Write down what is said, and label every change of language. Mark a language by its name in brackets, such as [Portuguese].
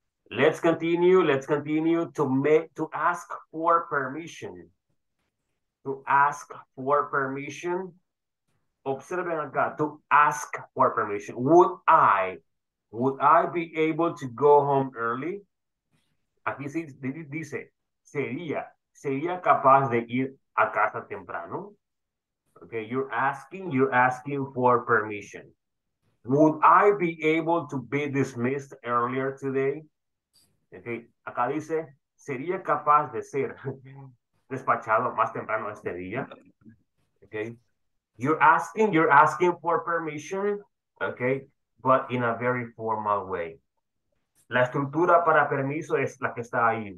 [English] Let's continue to ask for permission. To ask for permission. [Spanish] Observen acá, [English] to ask for permission. Would I be able to go home early? [Spanish] Aquí sí dice, sería capaz de ir a casa temprano. [English] Okay, you're asking for permission. Would I be able to be dismissed earlier today? [Spanish] Okay, acá dice, sería capaz de ser despachado más temprano este día. [English] Okay, you're asking for permission, okay, but in a very formal way. [Spanish] La estructura para permiso es la que está ahí.